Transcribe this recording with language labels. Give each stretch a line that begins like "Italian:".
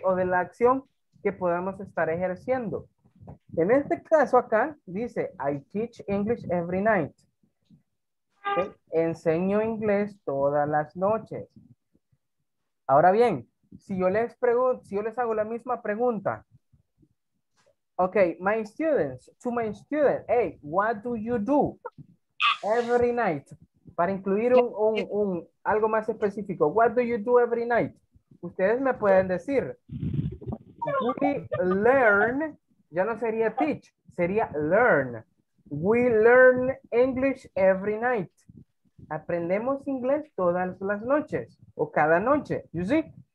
Spanish: O de la acción que podamos estar ejerciendo. En este caso acá dice,
English: I teach English every night.
Spanish: Okay. Enseño inglés todas las noches. Ahora bien, si yo les pregunto, si yo les hago la misma pregunta.
English: Ok, my students, to my students, hey, what do you do every night?
Spanish: Para incluir un algo más específico,
English: what do you do every night?
Spanish: Ustedes me pueden decir,
English: we learn,
Spanish: ya no sería teach, sería learn.
English: We learn English every night.
Spanish: Aprendemos inglés todas las noches o cada noche.
English: You see?